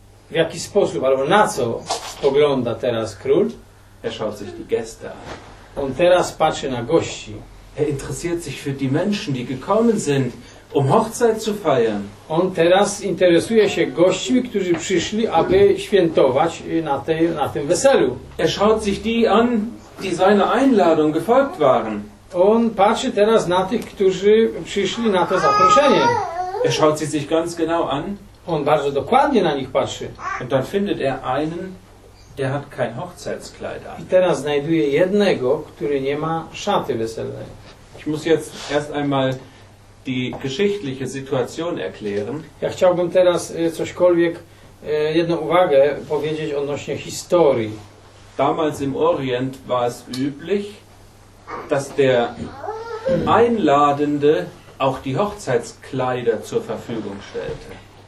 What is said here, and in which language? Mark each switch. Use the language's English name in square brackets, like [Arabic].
[Polish] W jaki sposób, albo na co spogląda teraz król? [German] Er schaut sich die Gäste an. [Polish] On teraz patrzy na gości. [German] Er interessiert sich für die Menschen, die gekommen sind, um Hochzeit zu feiern. [Polish] On teraz interesuje się gośćmi, którzy przyszli, aby świętować na, tej, na tym weselu. [German] Er schaut sich die an, die seiner Einladung gefolgt waren. [Polish] On patrzy teraz na tych, którzy przyszli na to zaproszenie. [German] Er schaut sie sich ganz genau an. [Polish] On bardzo dokładnie na nich patrzy. [German] Und dann findet er einen, der hat kein Hochzeitskleid an. [Polish] I teraz znajduje jednego, który nie ma szaty weselnej. [German] Ich muss jetzt erst einmal die geschichtliche Situation erklären. [Polish] Ja chciałbym teraz cośkolwiek, jedną uwagę powiedzieć odnośnie historii. [German] Damals im Orient war es üblich, dass der Einladende auch die Hochzeitskleider zur Verfügung stellte.